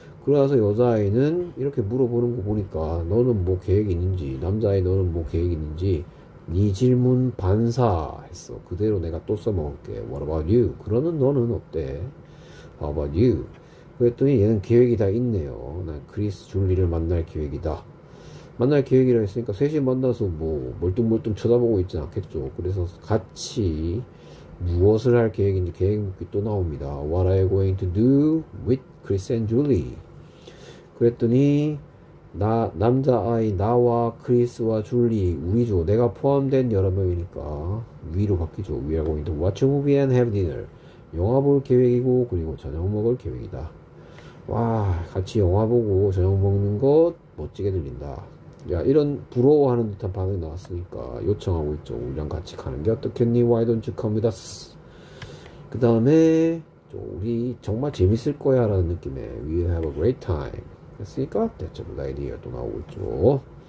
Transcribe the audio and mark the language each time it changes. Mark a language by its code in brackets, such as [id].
[ko] 그러고 나서 여자애는 이렇게 물어보는 거 보니까 너는 뭐 계획 있는지 남자애 너는 뭐 계획 있는지 니 질문 반사 했어. 그대로 내가 또 써먹을게. [en] What about you? [ko] 그러면 너는 어때? [en] How about you? [ko] 그랬더니 얘는 계획이 다 있네요. 난 크리스 줄리를 만날 계획이다. 만날 계획이라 했으니까 셋이 만나서 뭐 멀뚱멀뚱 쳐다보고 있지 않겠죠. 그래서 같이 무엇을 할 계획인지 계획이 또 나옵니다. [en] What are you going to do with Chris and Julie? [ko] 그랬더니 나 남자아이 나와 크리스와 줄리 우리죠. 내가 포함된 여러 명이니까 위로 바뀌죠. [en] We are going to watch a movie and have dinner. [ko] 영화 볼 계획이고 그리고 저녁 먹을 계획이다. 와, 같이 영화 보고 저녁 먹는 것 멋지게 들린다. 야, 이런 부러워하는 듯한 반응이 나왔으니까 요청하고 있죠. 우리랑 같이 가는 게 어떻겠니? [en] Why don't you come with us? [ko] 그 다음에 우리 정말 재밌을 거야 라는 느낌에 [en] We have a great time [ko] 했으니까 [en] That's a good idea [ko] 또 나오고 있죠.